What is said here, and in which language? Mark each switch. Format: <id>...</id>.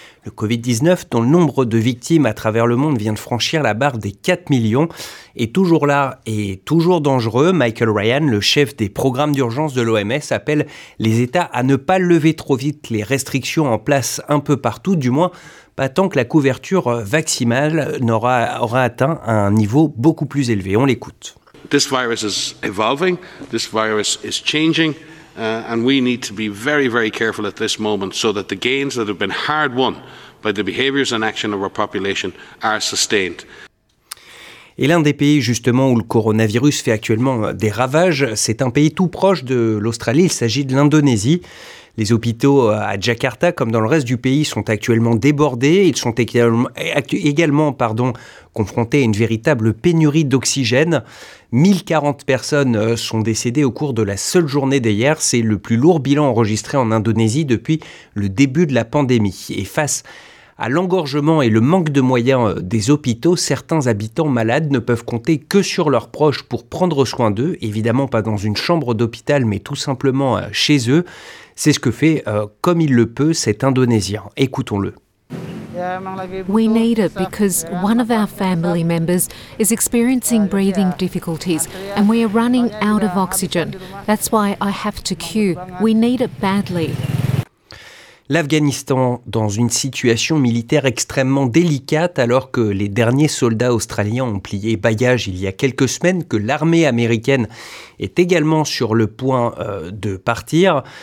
<fr>Le Covid-19, dont le nombre de victimes à travers le monde vient de franchir la barre des 4 millions, est toujours là et toujours dangereux. Michael Ryan, le chef des programmes d'urgence de l'OMS, appelle les États à ne pas lever trop vite les restrictions en place un peu partout, du moins pas tant que la couverture vaccinale aura atteint un niveau beaucoup plus élevé. On l'écoute.</fr> <en>This virus is evolving, this virus is changing, and we need to be very, very careful at this moment so that the gains that have been hard won by the behaviors and action of our population are sustained.</en> <fr>Et l'un des pays justement où le coronavirus fait actuellement des ravages, c'est un pays tout proche de l'Australie, il s'agit de l'Indonésie. Les hôpitaux à Jakarta, comme dans le reste du pays, sont actuellement débordés. Ils sont également confrontés à une véritable pénurie d'oxygène. 1040 personnes sont décédées au cours de la seule journée d'hier. C'est le plus lourd bilan enregistré en Indonésie depuis le début de la pandémie. Et face à l'engorgement et le manque de moyens des hôpitaux, certains habitants malades ne peuvent compter que sur leurs proches pour prendre soin d'eux. Évidemment, pas dans une chambre d'hôpital, mais tout simplement chez eux. C'est ce que fait, comme il le peut, cet Indonésien. Écoutons-le.</fr> <en>We need it because one of our family members is experiencing breathing difficulties and we are running out of oxygen. That's why I have to queue. We need it badly.</en> <fr>L'Afghanistan dans une situation militaire extrêmement délicate alors que les derniers soldats australiens ont plié bagage il y a quelques semaines, que l'armée américaine est également sur le point de partir.</fr>